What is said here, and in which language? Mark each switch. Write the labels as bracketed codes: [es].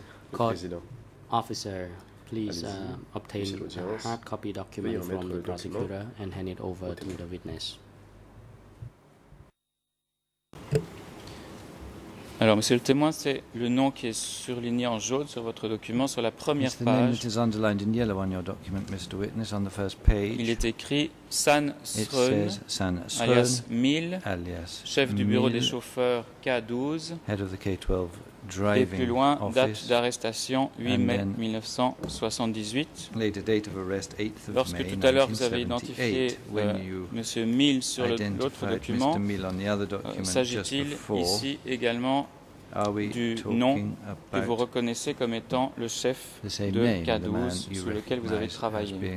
[en] Court officer, please obtain a hard copy document from the prosecutor and hand it over to the witness. [fr] Alors, monsieur le témoin, c'est le nom qui est surligné en jaune sur votre document, sur la première page. [en] It's the name that is underlined in yellow on your document, Mr. Witness, on the first page. [fr] Il est écrit San Srun, [en] it says San Srun, [fr] alias Mil, chef du bureau des chauffeurs K12, [en] head of the K12 driving [fr] et plus loin, [en] office, [fr] date d'arrestation 8 mai 1978. Lorsque tout à l'heure vous avez identifié Monsieur Mil sur l'autre document, s'agit-il ici également du nom que vous reconnaissez comme étant le chef de K12 sous lequel vous avez travaillé?